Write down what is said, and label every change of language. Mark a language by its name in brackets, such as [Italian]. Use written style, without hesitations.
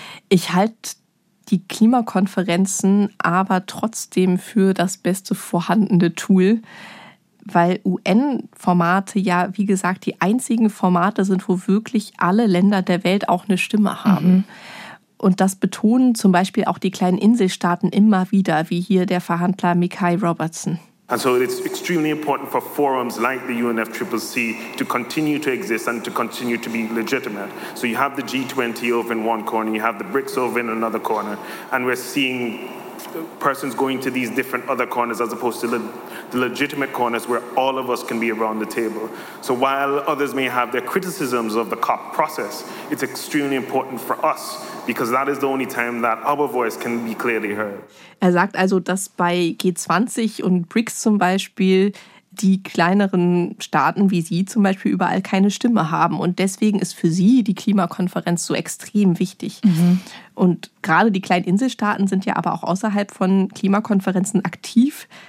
[German] Ich halte die Klimakonferenzen aber trotzdem für das beste vorhandene Tool, weil UN-Formate ja, wie gesagt, die einzigen Formate sind, wo wirklich alle Länder der Welt auch eine Stimme haben. Und das betonen zum Beispiel auch die kleinen Inselstaaten immer wieder, wie hier der Verhandler Mikhail Robertson. [English] And so it's extremely important for forums like the UNFCCC to continue to exist and to continue to be legitimate. So you have the G20 over in one corner, you have the BRICS over in another corner, and we're seeing persons going to these different other corners as opposed to the legitimate corners where all of us can be around the table. So while others may have their criticisms of the COP process, it's extremely important for us, because that is the only time that our voice can be clearly heard. [German] Er sagt also, dass bei G20 und BRICS zum Beispiel die kleineren Staaten wie Sie zum Beispiel überall keine Stimme haben. Und deswegen ist für Sie die Klimakonferenz so extrem wichtig. Mhm. Und gerade die kleinen Inselstaaten sind ja aber auch außerhalb von Klimakonferenzen aktiv.